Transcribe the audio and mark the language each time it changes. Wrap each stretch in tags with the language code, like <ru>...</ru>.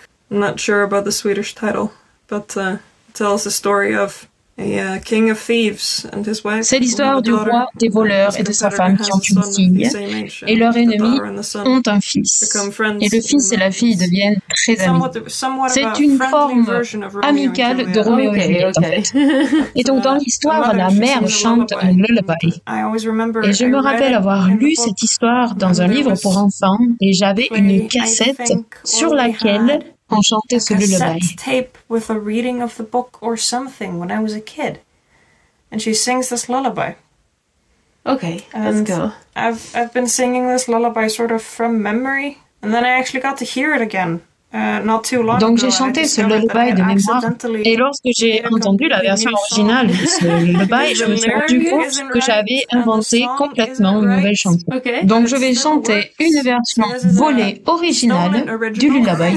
<en>I'm not sure about the Swedish title, but it tells the story of a king of thieves and his wife.</en> <fr>C'est l'histoire du roi des voleurs et de sa femme qui ont une fille, et leurs ennemis ont un fils. Et le fils et la fille deviennent très amis. C'est une forme amicale de Roméo et Juliette. Et donc dans l'histoire, la mère chante un lullaby. Et je me rappelle avoir lu cette histoire dans un livre pour enfants, et j'avais une cassette sur laquelle on chantait ce lullaby.</fr> <en>Tape with a reading of the book or something when I was a kid, and she sings this lullaby. Okay, let's go. I've been singing this lullaby sort of from memory, and then I actually got to hear it again. Not too long</en> <fr>donc j'ai chanté ce lullaby de mémoire et lorsque j'ai entendu la version originale de ce lullaby, je me suis rendu compte que j'avais inventé complètement une nouvelle chanson.</fr> <en>Okay.</en> <fr>Donc je vais chanter une version volée originale du lullaby.</fr>